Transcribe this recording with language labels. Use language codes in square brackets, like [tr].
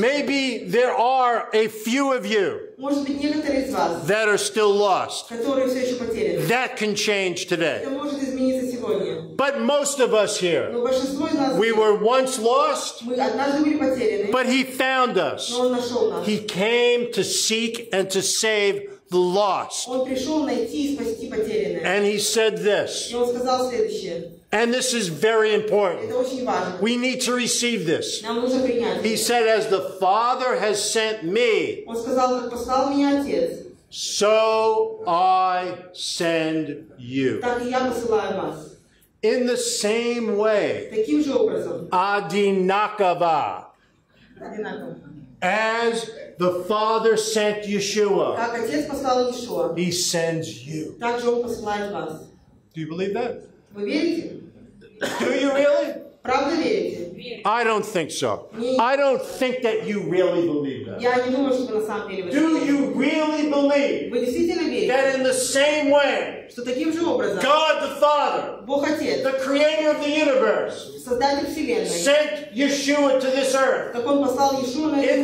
[en] Maybe there are a few of you. [ru] Может быть, некоторые из вас. [en] That are still lost. [ru] Которые все еще потеряны. [en] That can change today. [ru] Это может измениться сегодня. [en] But most of us here. [ru] Но большинство из нас. [en] We were once lost. [ru] Мы однажды были потеряны. [en] But he found us. [ru] Но он нашел нас. [en] He came to seek and to save the lost. [ru] Он пришел найти и спасти потерянное. [en] And he said this. [ru] И он сказал следующее. [en] And this is very important. [ru] Это очень важно. [en] We need to receive this. [ru] Нам нужно принять. [en] He said, as the Father has sent me, [ru] он сказал, как послал меня Отец, [en] so I send you. [ru] Так и я посылаю вас. [en] In the same way, [ru] таким же образом, Адинакова, [en] as the Father sent Yeshua, [ru] как Отец послал Иешуа, [en] he sends you. [ru] Так же он посылает вас. [en] Do you believe that? [ru] Вы верите? [en] Do you really? [ru] Правда верите? [en] I don't think so. I don't think that you really believe that. [ru] Я не думаю, что на самом деле вы. [en] Do you really believe? [ru] Вы действительно верите? [en] That in the same way. [ru] Что таким же образом. [en] God the Father. [ru] Бог Отец. [en] The Creator of the universe. [ru] Создатель вселенной. [en] Sent Yeshua to this earth. [ru] Как он послал Иешуа на эту землю.